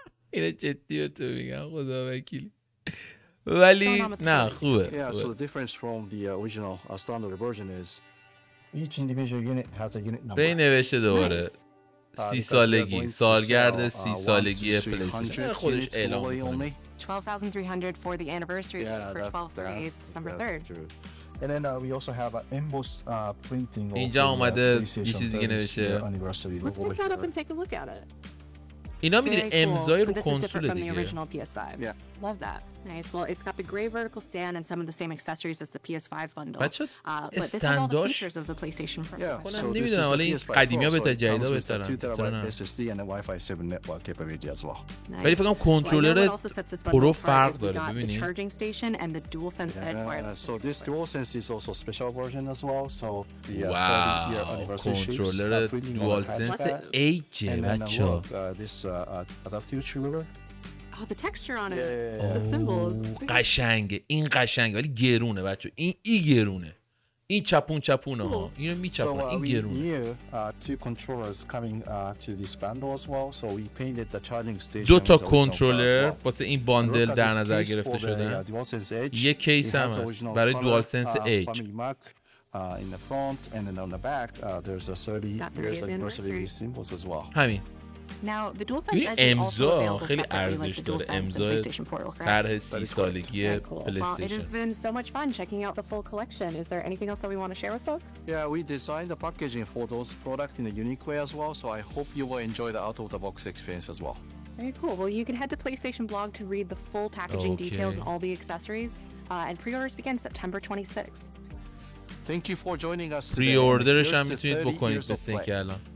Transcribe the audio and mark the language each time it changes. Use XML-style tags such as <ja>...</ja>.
<fa>اینه جدی و تو میگم خدا وکیلی. ولی نه خوبه.</fa> <en>Yeah, so the difference from the original standard version is each individual unit has a unit number.</en> <fa>به این نوشته دوباره. Nice. 30 سالگی سالگرد 30 سالگی پلی‌استیشن خودش اعلام کرد</fa> <en>12300 for the anniversary for 12th of December 3rd. And then we also have an embossed printing</en> <fa>اینجا اومده یه چیزی دیگه نوشته.</fa> <en>Let's pick that up and take a look at it.</en> <fa>اینا میدونی امضای رو کنسول دیگه.</fa> <en>Love that. Nice. Well, it's got the gray vertical stand and some of the same accessories as the PS5 bundle. But this is all the features of the PlayStation 4. Yeah. So this is the PS5</en> <fa>قدیمی ها بهتر جدید ها بهتر هم.</fa> <en>2TB SSD and a Wi-Fi 7 network capability as well. Nice.</en> <fa>ولی فکرم کنترولر پرو فرق داره.</fa> <en>We've got the charging station and the DualSense Edge wireless. So this DualSense is also a special version as well. So the 30-year controller DualSense Edge. And then this adaptive trigger. Oh, the texture on it, yeah. The symbols.</en> <fa>قشنگه، این قشنگه ولی گرونه بچه، این ای گرونه، این چپون چپونه ها، اینو میچپونه، این گرونه.</fa> <en>So two controllers coming to this bundle as well. So we painted the charging station.</en> <fa>دو تا کنترلر واسه این باندل در نظر گرفته شده. یه کیس هم برای دوال سنس ایج.</fa> <en>In the front and then on the back, there's a 30 years anniversary symbols as well.</en> <fa>همین.</fa> <en>Now the DualSense Edge</en> <fa>امضا خیلی ارزش داره. امضا طرح 30 سالگی پلی استیشن.</fa> <en>It has been so much fun checking out the full collection. Is there anything else that we want to share with folks? Yeah, we designed the packaging for those products in a unique way as well, so I hope you will enjoy the out of the box experience as well. Very cool. Well, you can head to PlayStation blog to read the full packaging details and all the accessories, and pre-orders begin September 26th. Thank you for joining us today.</en> <fa>Pre-orderش هم میتونید بکنید به سینک الان.</fa>